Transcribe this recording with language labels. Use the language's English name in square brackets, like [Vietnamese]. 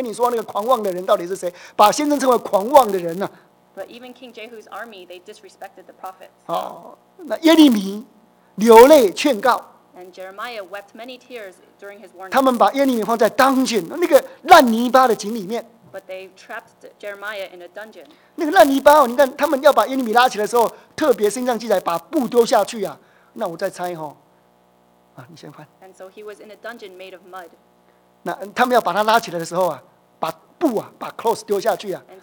[Chinese] 但是你知道他们在对话，那个耶户的一些将军呢，听到先知怎么说，那个狂妄的少年先知到底是谁呀？跟你说那个狂妄的人到底是谁？把先知称为狂妄的人呢？ [English] But even King Jehu's army, they disrespected the prophets. [Chinese] 那耶利米流泪劝告。 [English] And Jeremiah wept many tears during his warning. [Chinese] 他们把耶利米放在当今那个烂泥巴的井里面。 [English] But they trapped Jeremiah in a dungeon. [Chinese] 那个烂泥巴哦，你看他们要把耶利米拉起来的时候，特别心脏记载把布丢下去啊。那我再猜哦，你先看。 [English] And so he was in a dungeon made of mud. [Chinese] 那他们要把他拉起来的时候啊。布啊，把 clothes 丢下去啊！And